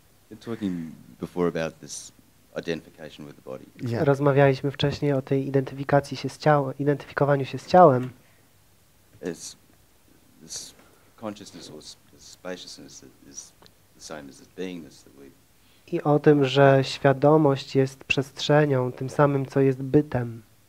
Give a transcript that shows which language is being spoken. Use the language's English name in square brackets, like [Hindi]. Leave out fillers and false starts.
[English] You're talking before about this identification with the body. Yeah. [Polish] Rozmawialiśmy wcześniej o tej identyfikacji się z ciałem, identyfikowaniu się z ciałem. [English] It's this consciousness or spaciousness that is the same as this beingness that we. I o tym, że świadomość jest przestrzenią, tym samym, co jest bytem.